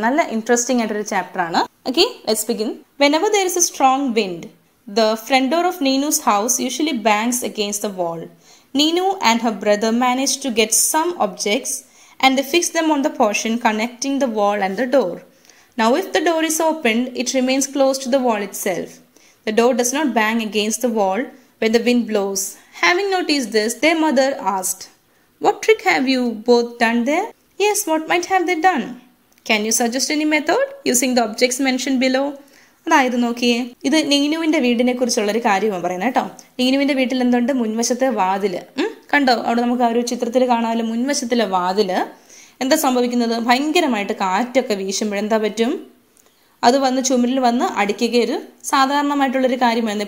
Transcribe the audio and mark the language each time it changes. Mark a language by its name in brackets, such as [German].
[Malayalam] നല്ല ഇൻട്രസ്റ്റിംഗ് ആയിട്ടൊരു ചാപ്റ്ററാണ്. [English] Okay, let's begin. Whenever there is a strong wind, the front door of Neenu's house usually bangs against the wall. Neenu and her brother manage to get some objects and the fix them on the portion connecting the wall and the door. Now if the door is opened, it remains close to the wall itself. The door does not bang against the wall when the wind blows. Having noticed this, their mother asked, "What trick have you both done there?" "Yes, what might have they done? Can you suggest any method using the objects mentioned below?" [Malayalam] അതായത് നോക്കിയേ, ഇത് നീനുവിന്റെ വീടിനെ കുറിച്ചുള്ള ഒരു കാര്യമാണ് പറയുന്നത് കേട്ടോ. നീനുവിന്റെ വീട്ടിൽ എന്തുണ്ട്? മുൻവശത്തെ വാതില് കണ്ടോ, അവിടെ നമുക്ക് ആ ഒരു ചിത്രത്തിൽ കാണാമല്ലോ. മുൻവശത്തിലെ വാതില് എന്താ സംഭവിക്കുന്നത്? ഭയങ്കരമായിട്ട് കാറ്റൊക്കെ വീശുമ്പോൾ എന്താ പറ്റും? അത് വന്ന് ചുമരിൽ വന്ന് അടിക്കുക. ഒരു സാധാരണമായിട്ടുള്ളൊരു കാര്യമായിരുന്നു.